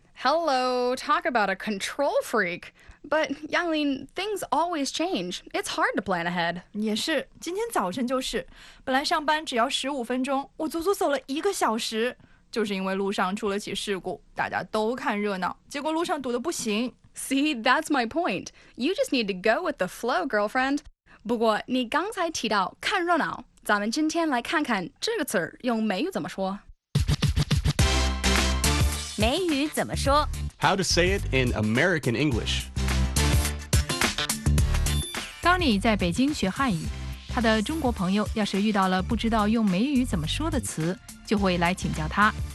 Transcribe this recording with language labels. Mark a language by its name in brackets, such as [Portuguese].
[English] Hello, talk about a control freak. But, Yanglin, things always change. It's hard to plan ahead. [Chinese] 也是，今天早晨就是，本来上班只要15分钟，我足足走了一个小时，就是因为路上出了起事故，大家都看热闹，结果路上堵得不行。 [English] See, that's my point. You just need to go with the flow, girlfriend. [Chinese] 不过你刚才提到看热闹。咱们今天来看看这个词儿用美语怎么说。美语怎么说 [English] ？How to say it in American English？ [Chinese] 当你在北京学汉语，他的中国朋友要是遇到了不知道用美语怎么说的词，就会来请教他。